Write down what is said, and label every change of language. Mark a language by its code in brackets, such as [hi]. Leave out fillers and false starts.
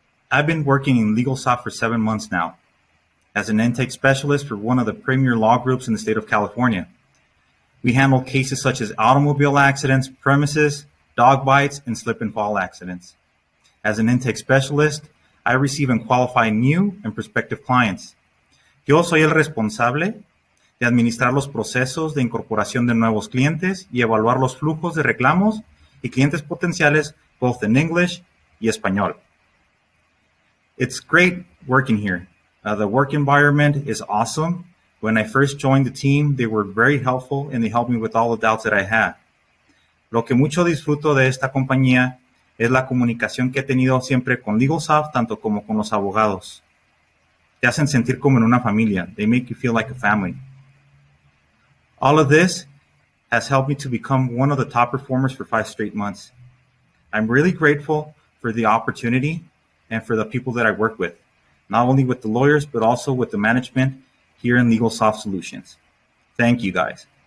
[en] I've been working in LegalSoft for 7 months now as an intake specialist for one of the premier law groups in the state of California. We handle cases such as automobile accidents, premises, dog bites, and slip and fall accidents. As an intake specialist, I receive and qualify new and prospective clients. [es] Yo soy el responsable de administrar los procesos de incorporación de nuevos clientes y evaluar los flujos de reclamos y clientes potenciales, [en] both in English [es] y Español. [en] It's great working here. The work environment is awesome. When I first joined the team, they were very helpful and they helped me with all the doubts that I had. [es] Lo que mucho disfruto de esta compañía es la comunicación que he tenido siempre con LegalSoft, tanto como con los abogados. Te hacen sentir como en una familia. [en] They make you feel like a family. All of this has helped me to become one of the top performers for 5 straight months. I'm really grateful for the opportunity and for the people that I work with, not only with the lawyers, but also with the management here in LegalSoft Solutions. Thank you, guys.